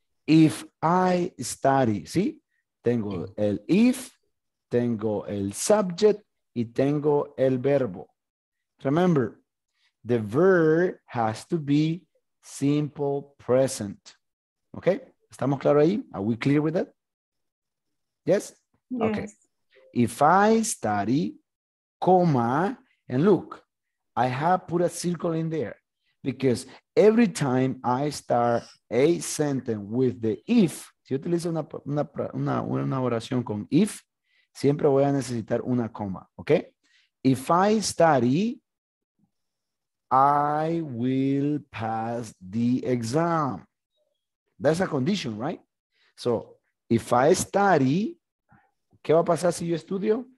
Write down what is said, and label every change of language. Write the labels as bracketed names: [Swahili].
[English] If I study, see, [Spanish] tengo el if, tengo el subject, y tengo el verbo. [English] Remember, the verb has to be simple present. Okay, [Spanish] estamos claros ahí? [English] Are we clear with that? Yes? Yes. Okay. If I study, comma, and look, I have put a circle in there because every time I start a sentence with the if, [Spanish] si utilizo una oración con if, siempre voy a necesitar una coma. [English] Okay? If I study, I will pass the exam. That's a condition, right? So, if I study, [Spanish] ¿qué va a pasar si yo estudio?